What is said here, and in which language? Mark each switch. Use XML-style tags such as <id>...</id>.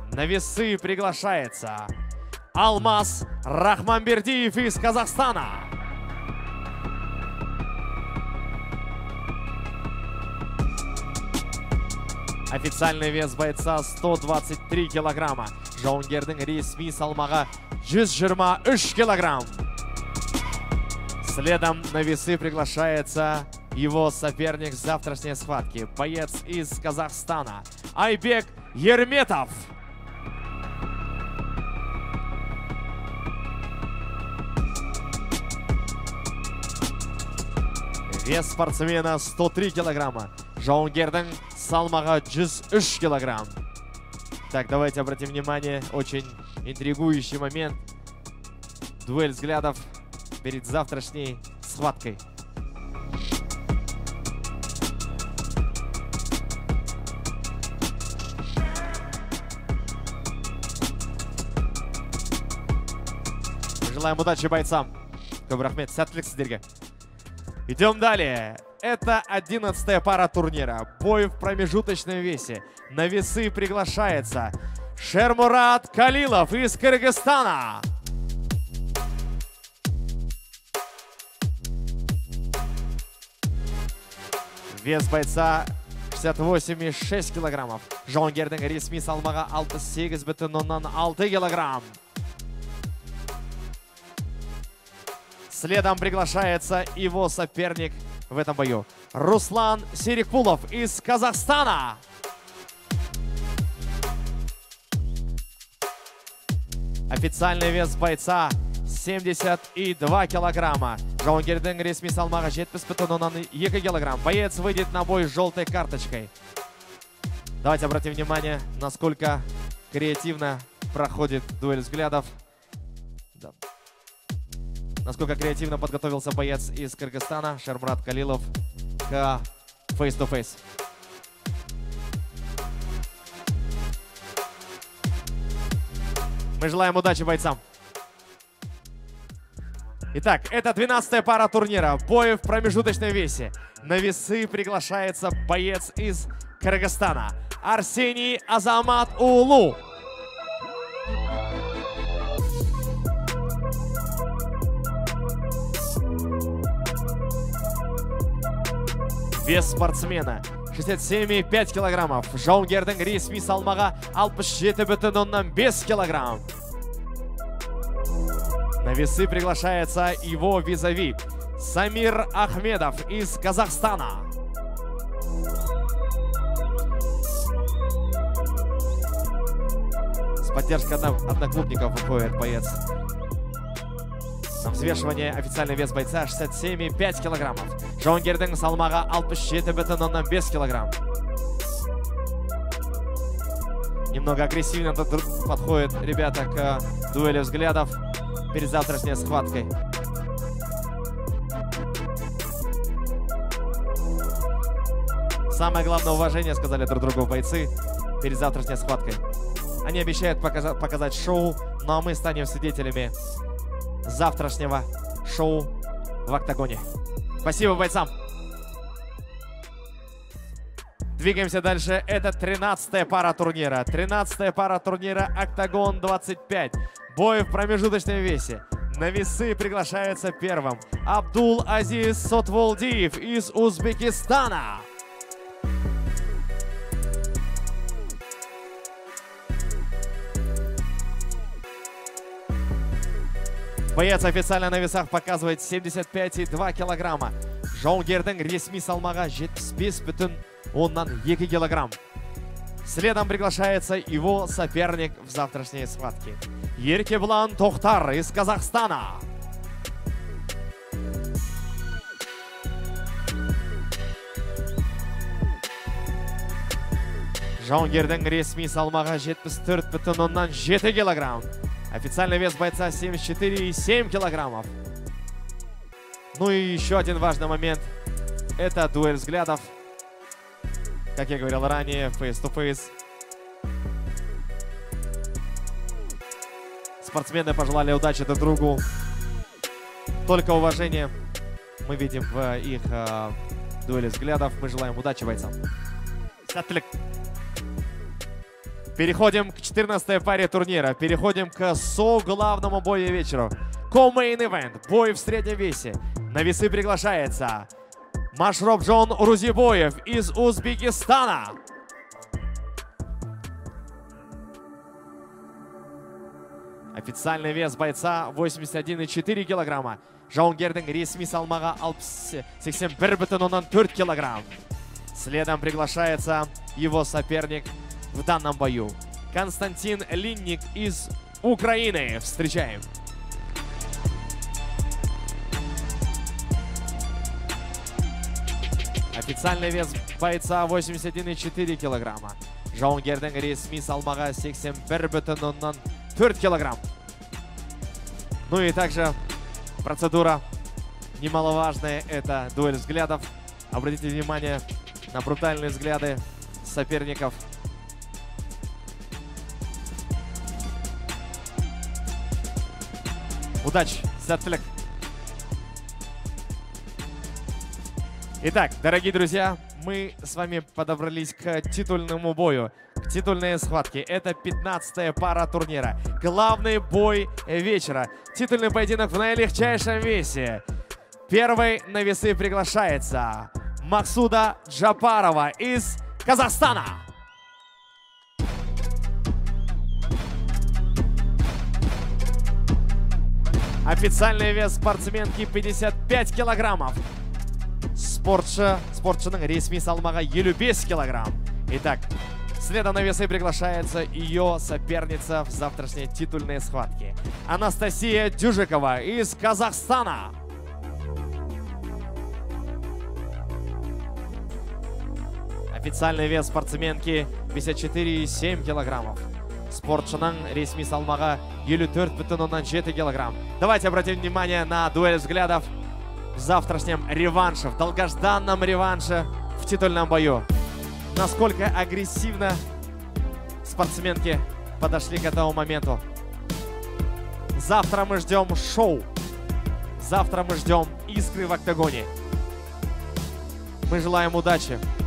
<ru>На весы приглашается Алмаз Рахманбердиев из Казахстана. Официальный вес бойца 123 килограмма.</ru> <kk>Жауынгердің ресми салмағы 123 килограмм.</kk> <ru>Следом на весы приглашается его соперник завтрашней схватки. Боец из Казахстана. Айбек Ерметов. Вес спортсмена 103 килограмма.</ru> <kk>Жауынгердің салмағы 103 килограмм.</kk> <ru>Так, давайте обратим внимание. Очень интригующий момент. Дуэль взглядов перед завтрашней схваткой. Желаем удачи бойцам.</ru> <kk>Көп рахмет. Сәттілік сіздерге.</kk> <ru>Идем далее. Это 11-я пара турнира. Бой в промежуточном весе. На весы приглашается Шермурат Калилов из Кыргызстана. Вес бойца 68,6 килограммов.</ru> <kk>Жауынгердің ресми салмағы 68 бүтін 6 килограмм.</kk> <ru>Следом приглашается его соперник в этом бою. Руслан Серикпулов из Казахстана. Официальный вес бойца 72 килограмма.</ru> <kk>Жауынгердің ресми салмағы 70,2 килограмм.</kk> <ru>Боец выйдет на бой с желтой карточкой. Давайте обратим внимание, насколько креативно проходит дуэль взглядов. Да. Насколько креативно подготовился боец из Кыргызстана Шермурат Калилов к face-to-face. Мы желаем удачи бойцам. Итак, это 12-я пара турнира. Бой в промежуточном весе. На весы приглашается боец из Кыргызстана. Арсений Азамат Улу. Вес спортсмена 67,5 килограммов.</ru> <kk>Жауынгердің ресми салмағы 67 бүтін 5 килограмм.</kk> <ru>На весы приглашается его визави Самир Ахмедов из Казахстана. С поддержкой одноклубников выходит боец. На взвешивание официальный вес бойца 67,5 килограммов.</ru> <kk>Жауынгердің салмағы 67 бүтін 5 килограмм.</kk> <ru>Немного агрессивно подходит ребята к дуэли взглядов перед завтрашней схваткой. Самое главное уважение сказали друг другу бойцы перед завтрашней схваткой. Они обещают показать шоу. Ну а мы станем свидетелями завтрашнего шоу в «Октагоне». Спасибо бойцам. Двигаемся дальше. Это 13-я пара турнира. 13-я пара турнира «Октагон-25». Бой в промежуточном весе. На весы приглашается первым Абдул-Азиз Сотволдиев из Узбекистана. Боец официально на весах показывает 75,2 килограмма.</ru> <kk>Жонгердің ресми салмағы 75,2 килограмм.</kk> <ru>Следом приглашается его соперник в завтрашней схватке. Еркебулан Тохтар из Казахстана.</ru> <kk>Жонгердің ресми салмағы 74,7 килограмм.</kk> <ru>Официальный вес бойца 74,7 килограммов. Ну и еще один важный момент. Это дуэль взглядов. Как я говорил ранее, face-to-face. Спортсмены пожелали удачи друг другу. Только уважение мы видим в их дуэли взглядов. Мы желаем удачи бойцам.</ru> <kk>Сатлик.</kk> <ru>Переходим к 14-й паре турнира. Переходим к со-главному бою вечера.</ru> <en>Co-main event.</en> <ru>Бой в среднем весе. На весы приглашается Машробжон Рузибоев из Узбекистана. Официальный вес бойца 81,4 килограмма.</ru> <kk>Жаунгердің ресми салмағы 81,4 килограмм.</kk> <ru>Следом приглашается его соперник в данном бою. Константин Линник из Украины. Встречаем. Официальный вес бойца 81,4 килограмма.</ru> <kk>Жонгердің ресми салмағы 81,4 килограмм.</kk> <ru>Ну и также процедура немаловажная. Это дуэль взглядов. Обратите внимание на брутальные взгляды соперников. Удачи,</ru> <kk>сәттілік.</kk> <ru>Итак, дорогие друзья, мы с вами подобрались к титульному бою, к титульной схватке. Это 15-я пара турнира. Главный бой вечера. Титульный поединок в наилегчайшем весе. Первый на весы приглашается Максуда Джапарова из Казахстана. Официальный вес спортсменки 55 килограммов.</ru> <kk>Спортшының ресми салмағы 55 килограмм.</kk> <ru>Итак, следом на весы приглашается ее соперница в завтрашней титульной схватке. Анастасия Дюжикова из Казахстана. Официальный вес спортсменки 54,7 килограммов.</ru> <kk>Спортшының ресми салмағы 54,7 килограмм.</kk> <ru>Давайте обратим внимание на дуэль взглядов в завтрашнем реванше, в долгожданном реванше в титульном бою. Насколько агрессивно спортсменки подошли к этому моменту. Завтра мы ждем шоу. Завтра мы ждем искры в октагоне. Мы желаем удачи.</ru>